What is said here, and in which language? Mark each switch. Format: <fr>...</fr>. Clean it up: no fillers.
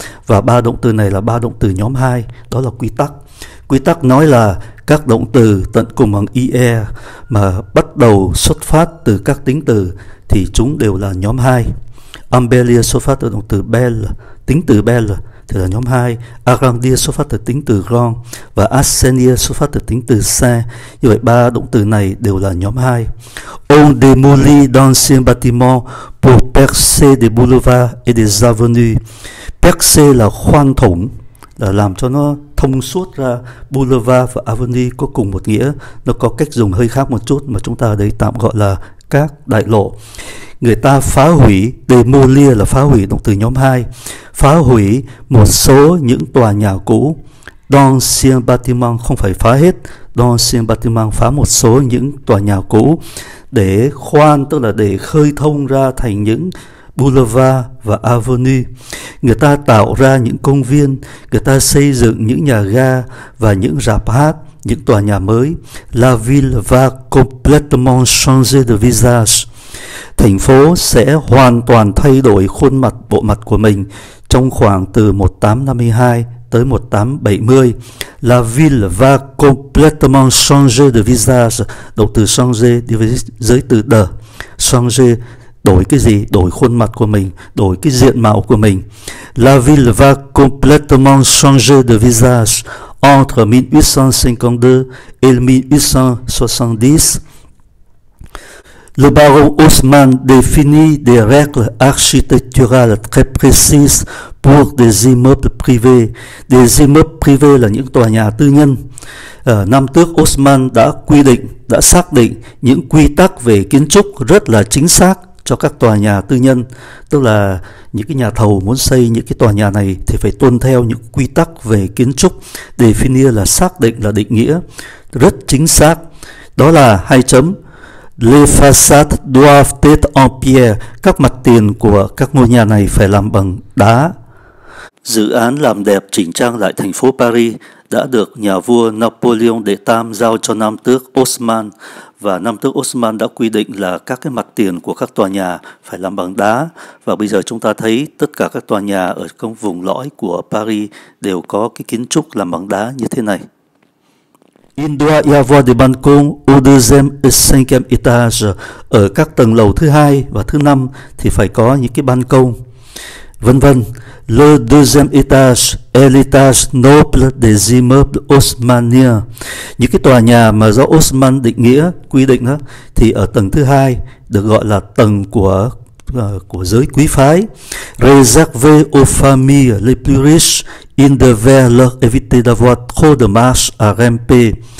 <vi>Và ba động từ này là ba động từ nhóm 2. Đó là quy tắc. Quy tắc nói là các động từ tận cùng bằng ir mà bắt đầu xuất phát từ các tính từ thì chúng đều là nhóm 2. Embellir xuất phát từ động từ belle, tính từ belle thì là nhóm 2. Agrandir xuất phát từ tính từ grand và assainir xuất phát từ tính từ sain. Như vậy ba động từ này đều là nhóm 2.</vi> <fr>On démolit d'anciens bâtiments pour percer des boulevards et des avenues.</fr> <vi>Percer là khoan thủng, là làm cho nó thông suốt ra. Boulevard và avenue có cùng một nghĩa, nó có cách dùng hơi khác một chút, mà chúng ta ở đây tạm gọi là các đại lộ. Người ta phá hủy, demolir là phá hủy, động từ nhóm 2. Phá hủy một số những tòa nhà cũ. D'ancien bâtiment, không phải phá hết. D'ancien bâtiment, phá một số những tòa nhà cũ để khoan, tức là để khơi thông ra thành những boulevard và avenue. Người ta tạo ra những công viên, người ta xây dựng những nhà ga và những rạp hát, những tòa nhà mới.</vi> <fr>La ville va complètement changer de visage.</fr> <vi>Thành phố sẽ hoàn toàn thay đổi khuôn mặt, bộ mặt của mình trong khoảng từ 1852 tới 1870.</vi> <fr>La ville va complètement changer de visage.</fr> <vi>Động từ changer đi với giới từ de. Changer, đổi cái gì? Đổi khuôn mặt của mình, đổi cái diện mạo của mình.</vi> <fr>La ville va complètement changer de visage entre 1852 et 1870. Le baron Haussmann définit des règles architecturales très précises pour des immeubles privés. Des immeubles privés</fr> <vi>là những tòa nhà tư nhân. Nam Tước Haussmann đã quy định, đã xác định những quy tắc về kiến trúc rất là chính xác cho các tòa nhà tư nhân, tức là những cái nhà thầu muốn xây những cái tòa nhà này thì phải tuân theo những quy tắc về kiến trúc. Definir là xác định, là định nghĩa rất chính xác. Đó là hai chấm.</vi> <fr>Les façades doivent être en pierre.</fr> <vi>Các mặt tiền của các ngôi nhà này phải làm bằng đá. Dự án làm đẹp chỉnh trang lại thành phố Paris đã được nhà vua Napoleon đệ tam giao cho Nam Tước Haussmann, và Nam Tước Haussmann đã quy định là các cái mặt tiền của các tòa nhà phải làm bằng đá. Và bây giờ chúng ta thấy tất cả các tòa nhà ở trong vùng lõi của Paris đều có cái kiến trúc làm bằng đá như thế này.</vi> <fr>Il doit y avoir des balcons au deuxième et cinquième étage.</fr> <vi>Ở các tầng lầu thứ hai và thứ năm thì phải có những cái ban công, vân vân.</vi> <fr>Le deuxième étage est l'étage noble des immeubles haussmanniens.</fr> <vi>Những cái tòa nhà mà do Osman định nghĩa quy định đó, thì ở tầng thứ hai được gọi là tầng của giới quý phái,</vi> <fr>réservé aux familles les plus riches, ils devaient leur éviter d'avoir trop de marche à ramper.</fr>